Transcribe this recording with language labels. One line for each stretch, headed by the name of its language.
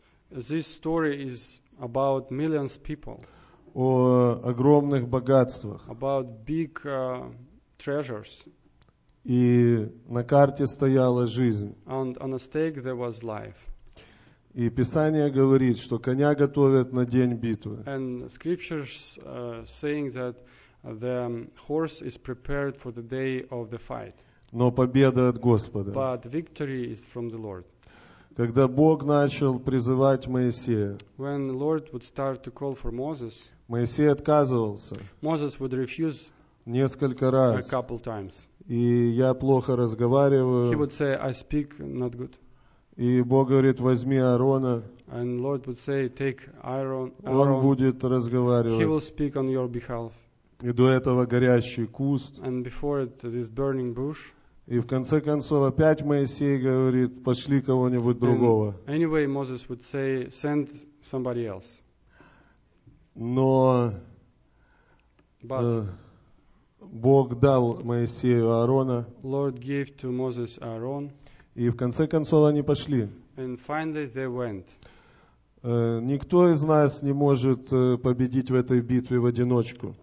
English: This story is about millions of people.
Russian: О огромных богатствах.
English: About big treasures.
Russian: И на карте стояла жизнь.
English: And on a stake there was life.
Russian: И Писание говорит, что коня готовят на день битвы.
English: And scriptures saying that the horse is prepared for the day of the fight.
Russian: Но победа от Господа.
English: But victory is from the Lord.
Russian: Когда Бог начал призывать Моисея,
English: when the Lord would start to call for Moses,
Russian: Моисей отказывался.
English: Moses would refuse
Russian: несколько раз.
English: A couple times.
Russian: И я плохо разговариваю.
English: He would say, I speak not good.
Russian: И Бог говорит, возьми Аарона.
English: And Lord would say, take Aaron.
Russian: Он будет разговаривать.
English: He will speak on your behalf.
Russian: И до этого горящий куст.
English: And before it, this burning bush.
Russian: И в конце концов опять Моисей говорит, пошли кого-нибудь другого.
English: Anyway, Moses would say, send somebody else.
Russian: Но
English: But,
Russian: Бог дал Моисею Аарона.
English: Lord gave to Moses Aaron.
Russian: И в конце концов они пошли.
English: And finally they went.
Russian: Никто из нас не может победить в этой битве в одиночку.